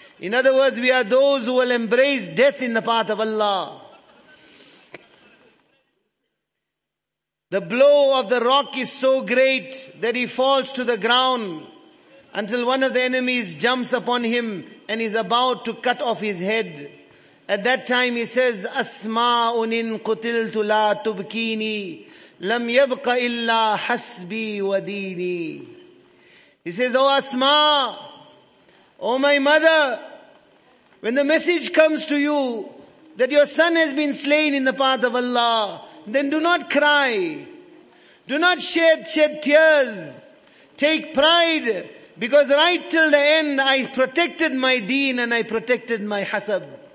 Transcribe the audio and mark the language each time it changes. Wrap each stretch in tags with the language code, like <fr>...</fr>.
<en>In other words, we are those who will embrace death in the path of Allah. The blow of the rock is so great that he falls to the ground until one of the enemies jumps upon him and is about to cut off his head. At that time he says,</en> <ar>أَسْمَاءٌ إِن قُتِلْتُ لَا تُبْكِينِي لَمْ يَبْقَ إِلَّا حَسْبِي وَدِينِي.</ar> <en>He says, O Asma, O my mother, when the message comes to you that your son has been slain in the path of Allah, then do not cry. Do not shed tears. Take pride, because right till the end I protected my deen and I protected my hasab.</en>